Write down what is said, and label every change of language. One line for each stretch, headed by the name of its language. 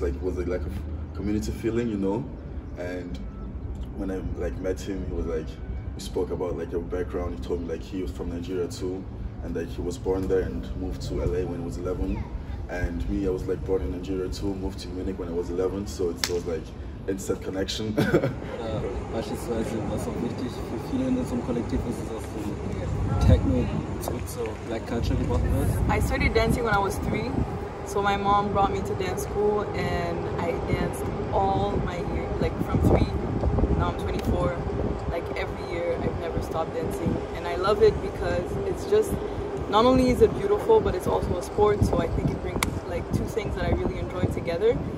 English: Like it was like a community feeling, you know. And when I like met him, he was like, we spoke about like your background. He told me like he was from Nigeria too, and like he was born there and moved to LA when he was 11. And me, I was like born in Nigeria too, moved to Munich when I was 11. So it was like instant connection.
German: Ja, beispielsweise, was auch wichtig für viele in unserem Kollektiv ist, ist, dass so Techno zurück zur Black Culture gebracht wird.
English: I started dancing when I was 3, so my mom brought me to dance school and I danced all my year, like from 3, now I'm 24, like every year I've never stopped dancing and I love it because it's just, not only is it beautiful, but it's also a sport, so I think it brings like two things that I really enjoy together.